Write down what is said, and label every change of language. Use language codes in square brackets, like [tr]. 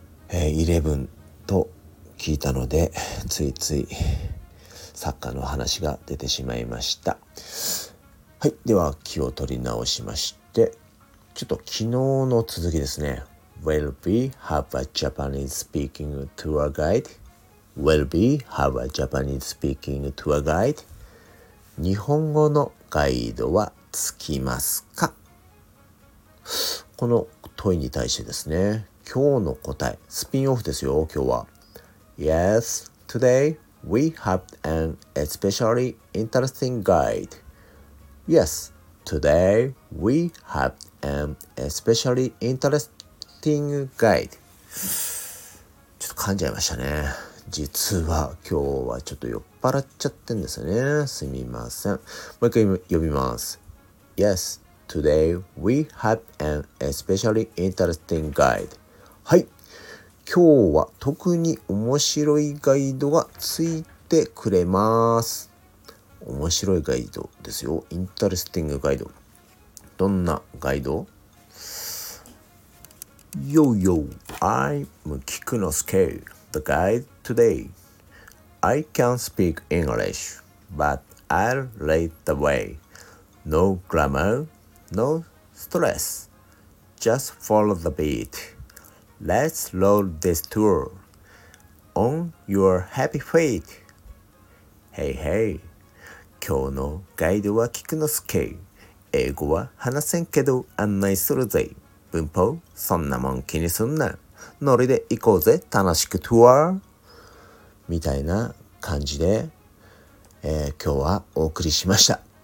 [ja] 11と聞いたのでついついサッカーの話が出てしまいました。はい、では気を取り直しまして、ちょっと昨日の続きですね。 [en] Will we have a Japanese speaking tour guide? Will we have a Japanese speaking tour guide? [ja] 日本語のガイドはつきますか？この問いに対してですね、今日の答え、スピンオフですよ、今日は。 [en] Yes, today we have an especially interesting guide. Yes, today we have an especially interesting guide. [ja] ちょっと噛んじゃいましたね。実は今日はちょっと酔っ払っちゃってんですね。すみません。もう一回呼びます。 Yes, today we have an especially interesting guide. はい。今日は特に面白いガイドがついてくれます。面白いガイドですよ。インタレスティングガイド。どんなガイド？ [en] Yo, yo, I'm Kikunosuke, the guide today. I can speak English, but I'll lead the way. No grammar, no stress. Just follow the beat. Let's roll this tour on your happy feet. Hey, hey. [ja] 今日のガイドは菊之助。英語は話せんけど案内するぜ。文法そんなもん気にすんな。ノリで行こうぜ。楽しくツアーみたいな感じで、今日はお送りしました。